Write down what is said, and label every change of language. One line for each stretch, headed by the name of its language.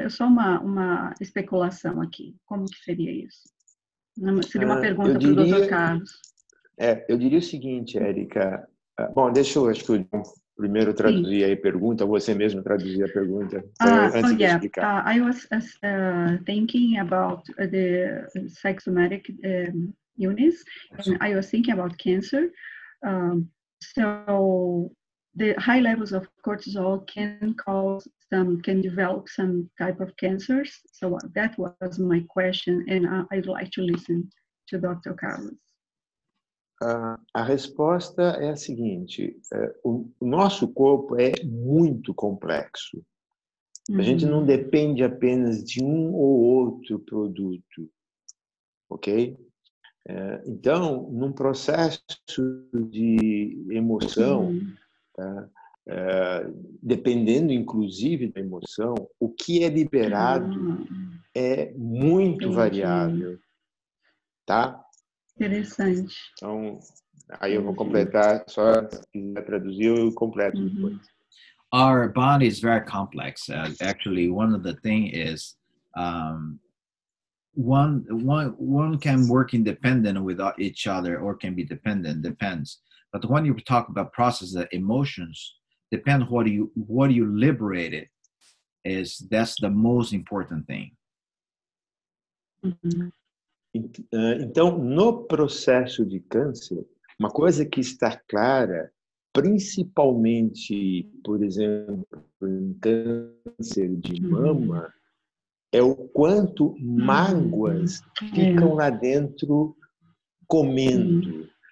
Portuguese: É só uma especulação aqui. Como que seria isso? Seria uma pergunta para o Dr. Carlos. Eu diria o seguinte, Érica. Bom, acho que eu primeiro traduzir Sim. a pergunta, você mesmo traduzir a pergunta, antes de explicar.
English: I was thinking about the psychosomatic illness, and I was thinking about cancer. So the high levels of cortisol can develop some type of cancers. So that was my question, and I'd like to listen to Dr. Carlos.
Portuguese: A resposta é a seguinte: o nosso corpo é muito complexo. Uhum. A gente não depende apenas de um ou outro produto, ok? Então, num processo de emoção, dependendo inclusive da emoção, o que é liberado é muito variável, tá? Interessante. Então, aí eu vou completar, só para traduzir e completo depois.
English: Our body is very complex. Actually, one of the things is... One can work independent without each other or can be dependent, depends. But when you talk about processes, emotions, depend what you liberated, is that's the most important thing.
Portuguese: Então, no processo de câncer, uma coisa que está clara, principalmente, por exemplo, em câncer de mama, é o quanto mágoas ficam lá dentro comendo.